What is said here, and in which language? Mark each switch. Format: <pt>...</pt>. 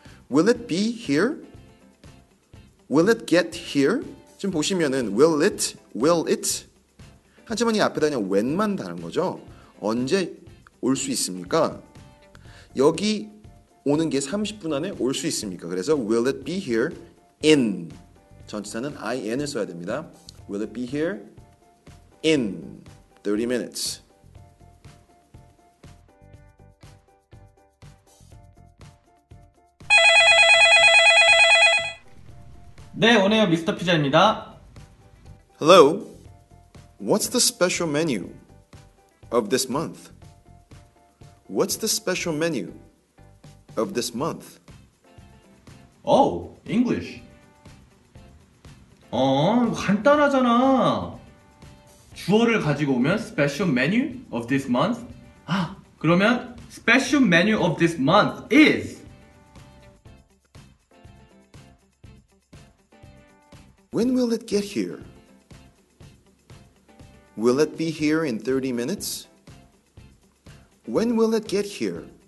<en>Will it be here? Will it get here?</en> <ko>지금 보시면은</ko> <en>will it?</en> <ko>하지만 이 앞에 다녀 when만 다른 거죠. 언제 올 수 있습니까? 여기 오는 게 30분 안에 올 수 있습니까? 그래서</ko> <en>will it be here in,</en> <ko>전치사는 in을 써야 됩니다.</ko> <en>Will it be here in 30 minutes?</en> <ko>네, 오늘 미스터 피자입니다.</ko> <en>Hello. What's the special menu of this month? What's the special menu of this month? Oh, English.</en> <ko>간단하잖아. 주어를 가지고 오면</ko> <en>special menu of this month.</en> <ko>아, 그러면</ko> <en>special menu of this month is 'When will it get here? Will it be here in 30 minutes? When will it get here?</en>